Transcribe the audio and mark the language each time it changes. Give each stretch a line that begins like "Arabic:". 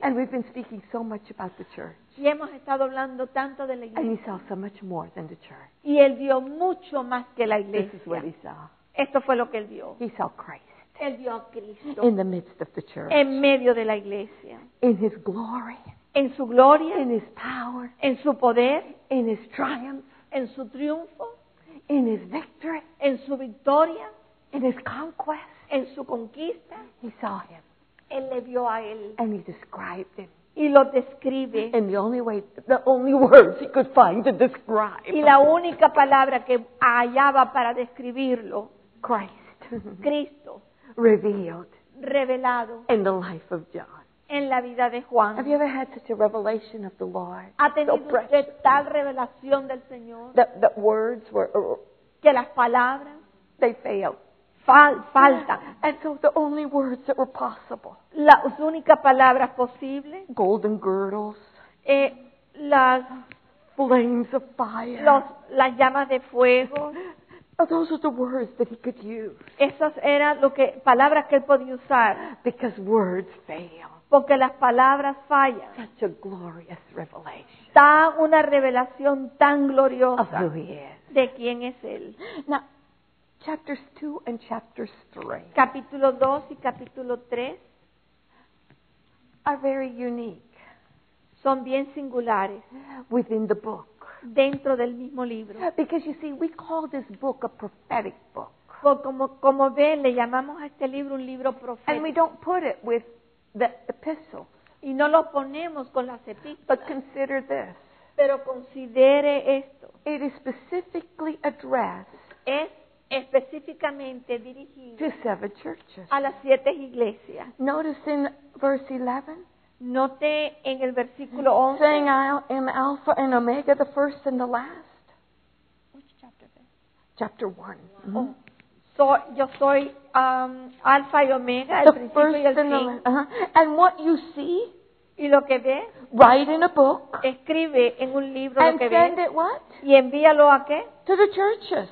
English: And we've been speaking so much about the church.
Spanish: Y hemos estado hablando tanto de la iglesia.
English: And he saw so much more than the church.
Spanish: Y él vio mucho más que la iglesia.
English: This is what he saw.
Spanish: Esto fue lo que él vio.
English: He saw Christ.
Spanish: Él vio a Cristo.
English: In the midst of the church.
Spanish: En medio de la iglesia.
English: In his glory.
Spanish: En su gloria.
English: In his power.
Spanish: En su poder.
English: In his triumph.
Spanish: En su triunfo.
English: In his victory.
Spanish: En su victoria.
English: In his conquest.
Spanish: En su conquista.
English: He saw him.
Spanish: Él le vio a él.
English: And he described him.
Spanish: Y lo describe.
English: And the only way, the only words he could find to describe.
Spanish: Y la única palabra que hallaba para describirlo.
English: Christ.
Spanish: Cristo.
English: Revealed.
Spanish: Revelado.
English: In the life of John.
Spanish: En la vida de Juan.
English: Have you ever had such a revelation of the Lord?
Spanish: ¿Ha tenido usted tal revelación del Señor?
English: That words were.
Spanish: Que las palabras.
English: They failed.
Spanish: Falta.
English: And so the only words that were possible.
Spanish: Las únicas palabras posibles.
English: Golden girdles.
Spanish: Las
English: flames of fire.
Spanish: Las llamas de fuego.
English: those are the words that he could use.
Spanish: Esas eran lo que palabras que él podía usar.
English: Because words fail.
Spanish: Porque las palabras fallan.
English: Such a glorious revelation.
Spanish: Da una revelación tan gloriosa.
English: Of who he is.
Spanish: De quién es él.
English: Now, chapters 2 and chapters 3.
Spanish: Capítulo 2 y capítulo 3
English: are very unique.
Spanish: Son bien singulares.
English: Within the book.
Spanish: Dentro del mismo libro.
English: Because you see, we call this book a prophetic book.
Spanish: Como ven, le llamamos a este libro un libro profético.
English: And we don't put it with the epistles.
Spanish: Y no lo ponemos con las epístolas.
English: But consider this.
Spanish: Pero considere esto.
English: It is specifically addressed.
Spanish: Es específicamente dirigido.
English: To seven churches.
Spanish: A las siete iglesias.
English: Notice in verse 11.
Spanish: Note en el versículo 11.
English: Saying, I am Alpha and Omega, the first and the last. Which chapter is it? Chapter 1. Wow. Mm-hmm.
Spanish: So, yo soy Alpha y Omega, el principio y el fin.
English: And what you see,
Spanish: y lo que ve,
English: write in a book,
Spanish: escribe en un libro
English: and
Spanish: lo que ve,
English: send it what?
Spanish: Y envíalo a qué?
English: To the churches.